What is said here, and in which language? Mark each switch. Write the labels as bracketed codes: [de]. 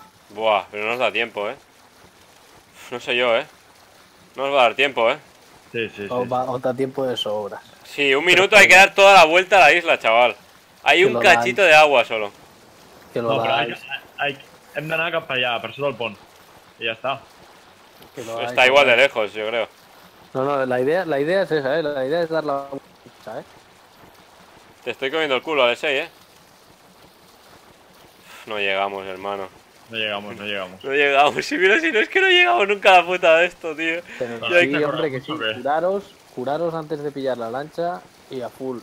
[es] Buah, pero no nos da tiempo, eh. No sé yo, eh. No nos va a dar tiempo, eh. Sí, sí, sí. O da tiempo de sobra. Sí, un minuto, pero hay que dar toda la vuelta a la isla, chaval. Hay un cachito de agua solo. Que lo hagáis. [ca] Hem d'anar cap allà, per sota el pont. I ja està. Està igual de lejos, jo crec. No, no, la idea és esa, eh. La idea és [es] dar la vuelta, [ca] eh. [es] Te estoy comiendo el culo, Alexei, eh. No llegamos, hermano. No llegamos. Sí, mira, si no, es que no llegamos nunca a la puta de esto, tío. Pero ya sí, hombre, que sí. Curaros antes de pillar la lancha y a full.